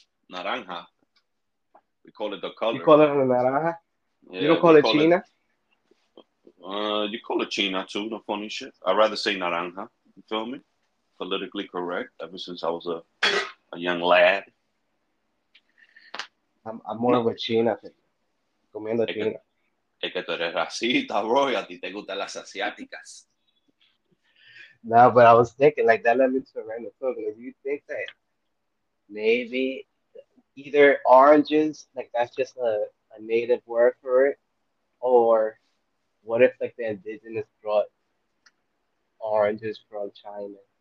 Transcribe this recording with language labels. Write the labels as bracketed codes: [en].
[en] Naranja. We call it the color. You call it a naranja? Yeah, you don't call it China? You call it China too, the funny shit. I'd rather say naranja. You feel me? Politically correct ever since I was a young lad. I'm more of a China thing. [es] Comiendo China. Es que tú eres racista, bro, y a ti te gustan las asiáticas. [en] No, but I was thinking, like, that led me to a random thought. If you think that maybe either oranges, like, that's just a native word for it, or what if, like, the indigenous brought oranges from China?